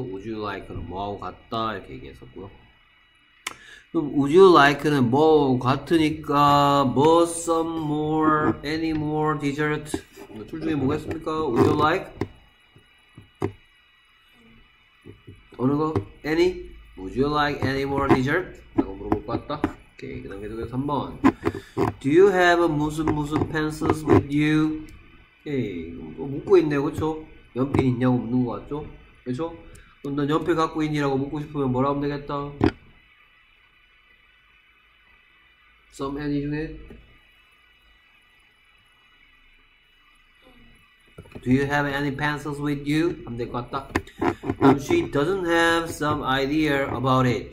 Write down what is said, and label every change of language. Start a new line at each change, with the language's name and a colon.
English: Would you like는
Korean: 뭐하고 같다 이렇게 얘기했었고요.
English: 그럼 would you like는 뭐 같으니까 뭐 some more, any more dessert
Korean: 둘 중에 뭐겠습니까?
English: Would you like?
Korean: 어느 거?
English: Any? Would you like any more dessert?
Korean: 라고 물어볼 것 같다. 오케이, 그 다음 계속해서 3번.
English: Do you have a
Korean: 무슨 무슨
English: pencils with you?
Korean: 에이, 묻고 있네요, 그쵸? 연필 있냐고 묻는 것 같죠? 그쵸? 그럼 넌 연필 갖고 있니라고 묻고 싶으면 뭐라 하면 되겠다?
English: Some any 중에? Do you have any pencils with you?
Korean: 하면 될것 같다.
English: She doesn't have some idea about it.